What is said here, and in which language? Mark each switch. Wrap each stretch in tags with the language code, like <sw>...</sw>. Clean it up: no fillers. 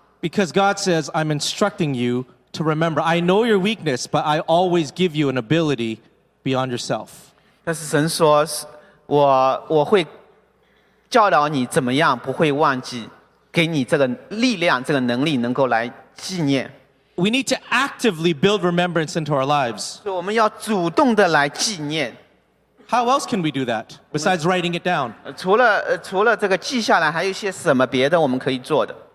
<en>Because God says, I'm instructing you to remember. I know your weakness, but I always give you an ability beyond yourself.</en> <zh>但是神说,我会教导你怎么样不会忘记,给你这个力量,这个能力能够来纪念。</zh> <en>We need to actively build remembrance into our lives.</en> <zh>我们要主动的来纪念。</zh> <en>How else can we do that besides writing it down?</en> <zh>除了这个记下来,还有一些什么别的我们可以做的。</zh>